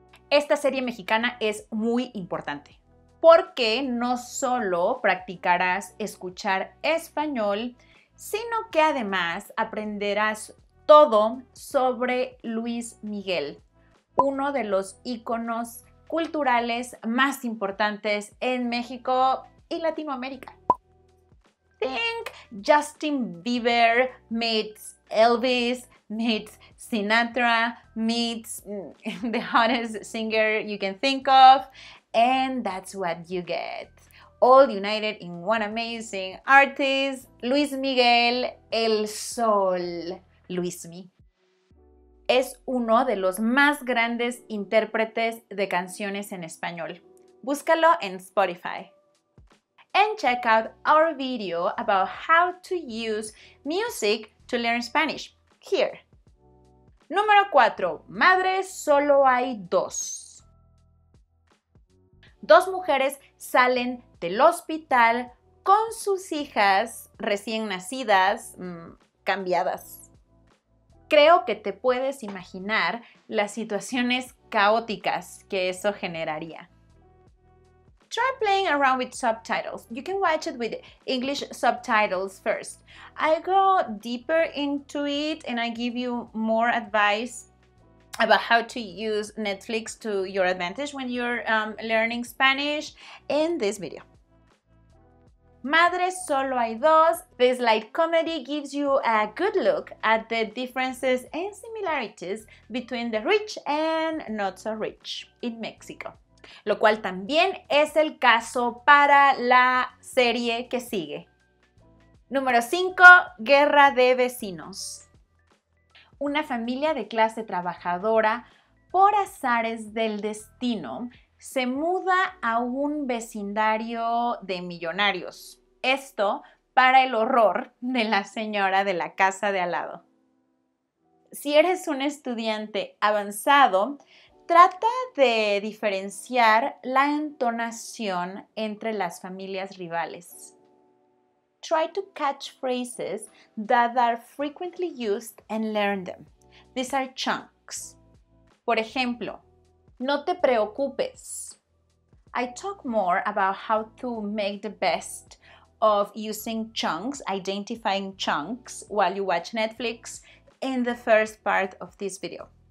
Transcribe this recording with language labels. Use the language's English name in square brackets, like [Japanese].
[Spanish] Esta serie mexicana es muy importante porque no solo practicarás escuchar español, sino que además aprenderás todo sobre Luis Miguel, uno de los íconos culturales más importantes en México y Latinoamérica. [English] Think Justin Bieber meets Elvis meets Sinatra meets the hottest singer you can think of, and that's what you get. All united in one amazing artist, Luis Miguel, el Sol, Luismi. [Spanish] Es uno de los más grandes intérpretes de canciones en español. Búscalo en Spotify. [English] And check out our video about how to use music to learn Spanish here. [Spanish] Número 4. Madres solo hay dos. Dos mujeres salen del hospital con sus hijas recién nacidas, cambiadas. Creo que te puedes imaginar las situaciones caóticas que eso generaría. [English] Try playing around with subtitles. You can watch it with English subtitles first. I go deeper into it and I give you more advice about how to use Netflix to your advantage when you're learning Spanish in this video. Madres solo hay dos. This light comedy gives you a good look at the differences and similarities between the rich and not so rich in Mexico. [Spanish] Lo cual también es el caso para la serie que sigue. Número 5. Guerra de Vecinos. Una familia de clase trabajadora, por azares del destino, se muda a un vecindario de millonarios. Esto para el horror de la señora de la casa de al lado. Si eres un estudiante avanzado, trata de diferenciar la entonación entre las familias rivales. [English] Try to catch phrases that are frequently used and learn them. These are chunks. [Spanish] Por ejemplo, no te preocupes. [English] I talk more about how to make the best of using chunks, identifying chunks while you watch Netflix in the first part of this video.